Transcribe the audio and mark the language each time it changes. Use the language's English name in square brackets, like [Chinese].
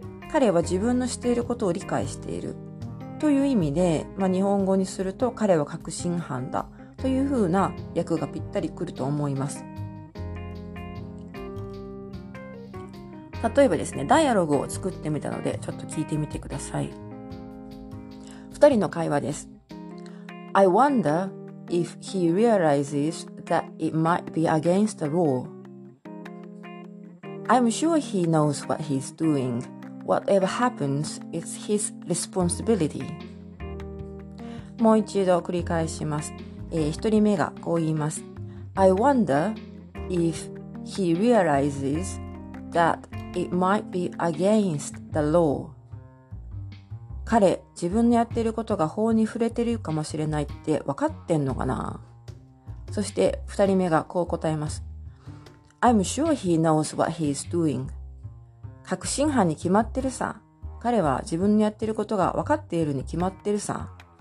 [Japanese] 彼は自分のしていることを理解しているという意味で、日本語にすると彼は確信犯だというふうな訳がぴったりくると思います。例えばですね、ダイアログを作ってみたのでちょっと聞いてみてください。二人の会話です。 [English] I wonder if he realizes that it might be against the law. I'm sure he knows what he's doing. Whatever happens, it's his responsibility. [Japanese] もう一度繰り返します。一人目がこう言います。 [English] I wonder if he realizes that it might be against the law. [Japanese] 彼、自分のやっていることが法に触れてるかもしれないって分かってんのかな？そして二人目がこう答えます。 [English] I'm sure he knows what he's doing. [Japanese] 確信犯に決まってるさ。彼は自分のやっていることが分かっているに決まってるさ。